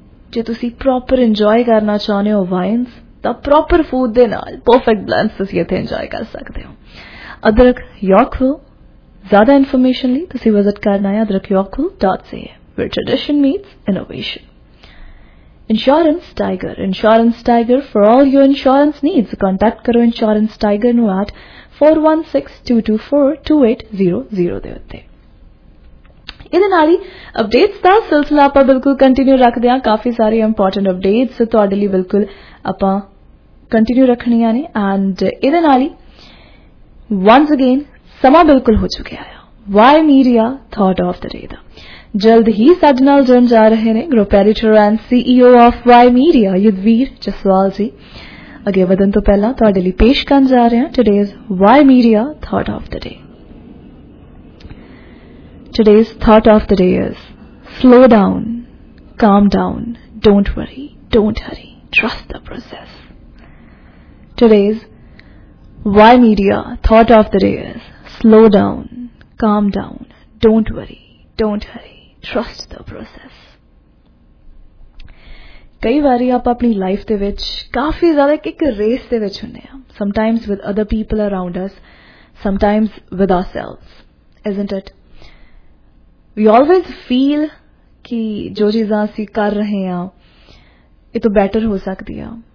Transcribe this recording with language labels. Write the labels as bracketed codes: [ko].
[pa] ਜੇ ਤੁਸੀਂ proper enjoy ਕਰਨਾ ਚਾਹੁੰਦੇ ਹੋ ਵਾਈਨਸ, ਤਾਂ ਪ੍ਰੋਪਰ ਫੂਡ ਦੇ ਨਾਲ ਪਰਫੈਕਟ ਬਲੈਂਡ ਤੁਸੀਂ ਇੱਥੇ ਇੰਜੋਏ ਕਰ ਸਕਦੇ ਹੋ। ਅਦਰਕ ਯਾਰਕਵਿਲ, ਜ਼ਿਆਦਾ ਇਨਫੋਰਮੇਸ਼ਨ ਲਈ ਤੁਸੀਂ ਵਿਜ਼ਿਟ ਕਰਨਾ ਹੈ adrakyorkville.ca, [en] where tradition meets innovation. Insurance Tiger, Insurance Tiger for all your insurance needs. [pa] Contact karo Insurance Tiger nu at 416-224-2800 de utte. ਇਹਦੇ ਨਾਲ ਹੀ ਅਪਡੇਟਸ ਦਾ ਸਿਲਸਿਲਾ ਆਪਾਂ ਬਿਲਕੁਲ ਕੰਟੀਨਿਊ ਰੱਖਦੇ ਹਾਂ। ਕਾਫੀ ਸਾਰੀ ਇੰਪੋਰਟੈਂਟ ਅਪਡੇਟਸ ਤੁਹਾਡੇ ਲਈ ਬਿਲਕੁਲ ਆਪਾਂ ਕੰਟੀਨਿਊ ਰੱਖਣੀਆਂ ਨੇ। ਐਂਡ ਇਹਦੇ ਨਾਲ ਹੀ [en] once again [pa] ਸਮਾਂ ਬਿਲਕੁਲ ਹੋ ਚੁੱਕਿਆ ਆ Y media thought of the ਡੇ ਦਾ। ਜਲਦ ਹੀ ਸਾਡੇ ਨਾਲ ਜੁੜਨ ਜਾ ਰਹੇ ਨੇ group editor and CEO of Y media Yudhvir Jaswal ਜੀ। ਅੱਗੇ ਵਧਣ ਤੋਂ ਪਹਿਲਾਂ ਤੁਹਾਡੇ ਲਈ ਪੇਸ਼ ਕਰਨ ਜਾ ਰਹੇ ਹਾਂ today's Y media thought of the day. [en] Today's thought of the day is slow down, calm down, don't worry, don't hurry, trust the process. Today's Y media thought of the day is slow down, calm down, don't worry, don't hurry, trust the process. [pa] ਕਈ ਵਾਰੀ ਆਪਾਂ ਆਪਣੀ life ਦੇ ਵਿੱਚ ਕਾਫੀ ਜ਼ਿਆਦਾ ਇੱਕ race ਦੇ ਵਿੱਚ ਹੁੰਦੇ ਹਾਂ, [en] Sometimes with other people around us, sometimes with ourselves, isn't it. We always feel [pa] ਕਿ ਜੋ ਚੀਜ਼ਾਂ ਅਸੀਂ ਕਰ ਰਹੇ ਹਾਂ ਇਹ ਤੋਂ ਬੈਟਰ ਹੋ ਸਕਦੀ ਆ।